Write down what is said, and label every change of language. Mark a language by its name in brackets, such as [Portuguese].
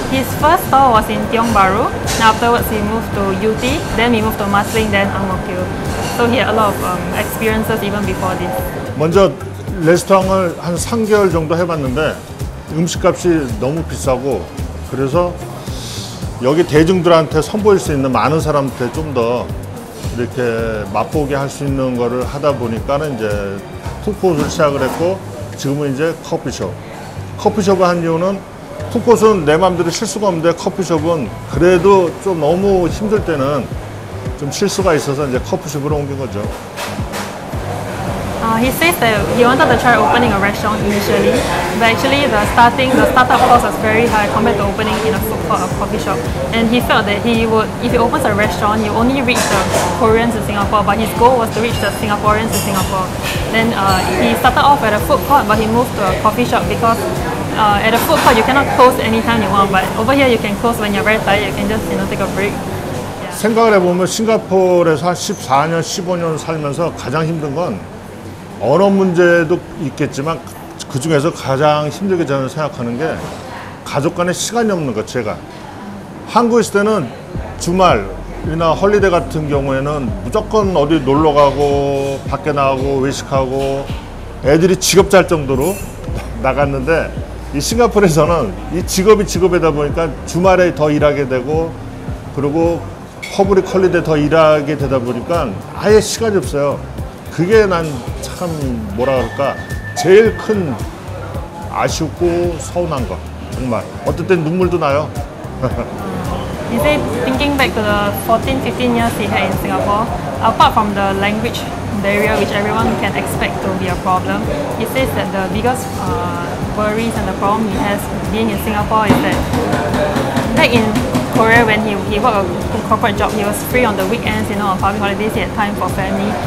[English] His first store was in Tiong Bahru. Then afterwards, he moved to UT. Then we moved to Marsiling, then Ang Mo Kio. So he had a lot of experiences even before this. [Korean] 먼저 레스토랑을 한 3개월 정도 해봤는데 음식값이 너무 비싸고 그래서 여기 대중들한테 선보일 수 있는 많은 사람한테 좀 더 이렇게 맛보게 할 수 있는 거를 하다 보니까는 이제 푸드코트를 시작을 했고 지금은 이제 커피숍을 한 이유는 푸드코트는 내 마음대로 쉴 수가 없는데 커피숍은 그래도 좀 너무 힘들 때는 좀 쉴 수가 있어서 이제 커피숍으로 옮긴 거죠. [English] He says that he wanted to try opening a restaurant initially, but actually the startup cost was very high compared to opening in a food court or coffee shop. And he felt that if he opens a restaurant, he only reach the Koreans in Singapore, but his goal was to reach the Singaporeans in Singapore. Then he started off at a food court, but he moved to a coffee shop because at a food court, you cannot close anytime you want, but over here, you can close when you're very tired, you can just, you know, take a break. [Korean] 생각을 해보면 싱가포르에서 한 14년, 15년 살면서 가장 힘든 건 언어 문제도 있겠지만 그 중에서 가장 힘들게 저는 생각하는 게 가족 간에 시간이 없는 것. 제가 한국에 있을 때는 주말이나 홀리데이 같은 경우에는 무조건 어디 놀러 가고 밖에 나가고 외식하고 애들이 직업 짤 정도로 나갔는데 이 싱가포르에서는 이 직업이 직업이다 보니까 주말에 더 일하게 되고 그리고 퍼블릭 홀리데이 더 일하게 되다 보니까 아예 시간이 없어요. 그게 난 참 뭐라 그럴까 제일 큰 아쉽고 서운한 거 정말 어떨 땐 눈물도 나요. [English] He said thinking back to the 14, 15 years he had in Singapore, apart from the language barrier which everyone can expect to be a problem, he says that the biggest worries and the problem he has being in Singapore is that back in Korea when he worked a corporate job, he was free on the weekends, you know, on public holidays, he had time for family.